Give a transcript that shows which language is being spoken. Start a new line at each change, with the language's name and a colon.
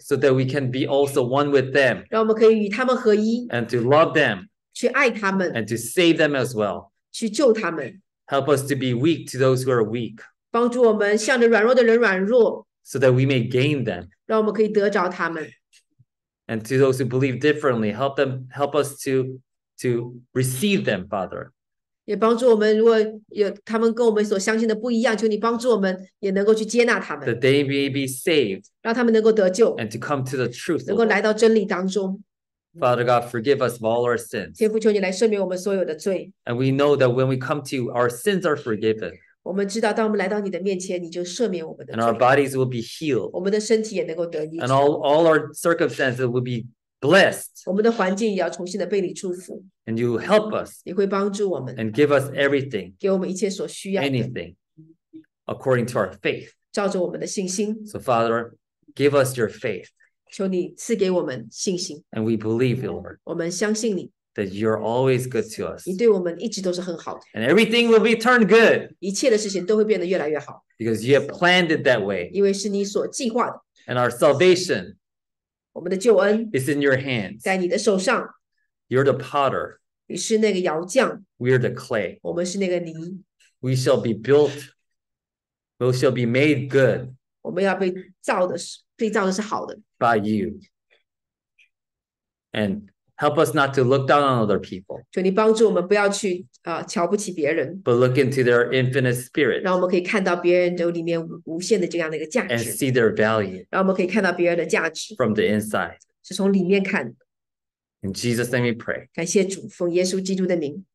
English: So that we can be also one with them.
Chinese: 让我们可以与他们合一。
English: And to love them.
Chinese: 去爱他们。
English: And to save them as well.
Chinese: 去救他们。
English: Help us to be weak to those who are weak.
Chinese: 帮助我们向着软弱的人软弱。
English: So that we may gain them.
Chinese: 让我们可以得着他们。
English: And to those who believe differently, help us to receive them, Father.
Chinese: 也帮助我们，如果有他们跟我们所相信的不一样，求你帮助我们也能够去接纳他们。
English: That they may be saved.
Chinese: 让他们能够得救。
English: And to come to the truth.
Chinese: 能够来到真理当中。
English: Father God, forgive us of all our sins.
Chinese: 天父，求你来赦免我们所有的罪。
English: And we know that when we come to you, our sins are forgiven.
Chinese: 我们知道，当我们来到你的面前，你就赦免我们的罪。
English: And our bodies will be healed.
Chinese: 我们的身体也能够得医治。
English: And all our circumstances will be blessed.
Chinese: 我们的环境也要重新的被你祝福。
English: And you help us.
Chinese: 你会帮助我们。
English: And give us everything.
Chinese: 给我们一切所需要的。
English: Anything. According to our faith.
Chinese: 照着我们的信心。
English: So Father, give us your faith.
Chinese: 求你赐给我们信心。
English: And we believe you, Lord.
Chinese: 我们相信你。
English: that you're always good to us.
Chinese: 你对我们一直都是很好的。
English: And everything will be turned good.
Chinese: 一切的事情都会变得越来越好。
English: Because you have planned it that way.
Chinese: 因为是你所计划的。
English: And our salvation,
Chinese: 我们的救恩
English: is in your hands.
Chinese: 在你的手上。
English: You're the potter.
Chinese: 你是那个窑匠。
English: We're the clay.
Chinese: 我们是那个泥。
English: We shall be built. We shall be made good.
Chinese: 我们要被造的是好的。
English: By you. And help us not to look down on other people.
Chinese: 求你帮助我们不要去瞧不起别人。
English: But look into their infinite spirit.
Chinese: 让我们可以看到别人里面无限的这样的一个价值。
English: And see their value.
Chinese: 让我们可以看到别人的价值。
English: From the inside.
Chinese: 是从里面看。
English: In Jesus' name we pray.
Chinese: 感谢主，奉耶稣基督的名。